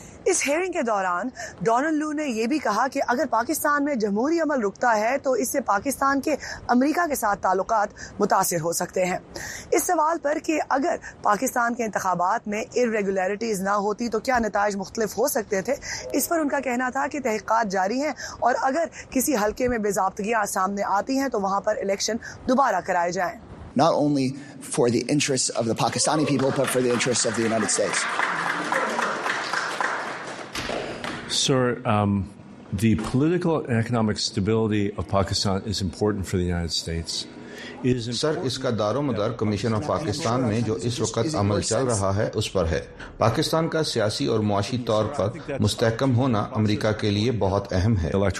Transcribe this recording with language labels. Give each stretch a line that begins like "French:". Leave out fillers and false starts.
Urdu: اس hearing کے دوران Donald لو نے یہ بھی کہا کہ اگر پاکستان میں جمہوری عمل رکتا ہے تو اس سے پاکستان کے امریکہ کے ساتھ تعلقات متاثر ہو سکتے ہیں اس سوال پر کہ اگر پاکستان کے انتخابات میں ارریگولیرٹیز نہ ہوتی تو کیا نتائج مختلف ہو سکتے تھے اس پر ان کا کہنا تھا کہ تحقیقات جاری ہیں اور اگر کسی حلقے میں بے ضابطگیاں سامنے آتی ہیں تو وہاں پر الیکشن دوبارہ کرائے جائیں
English: Not only for the interests of the Pakistani people, but for the interests of the United States. Sir, the political and economic stability of Pakistan is important for the United States.
Urdu: سر اس کا دار و مدار commission of Pakistan میں جو اس وقت عمل چل رہا ہے اس پر ہے۔ پاکستان کا سیاسی اور معاشی طور پر مستحکم ہونا امریکہ کے لیے بہت اہم ہے۔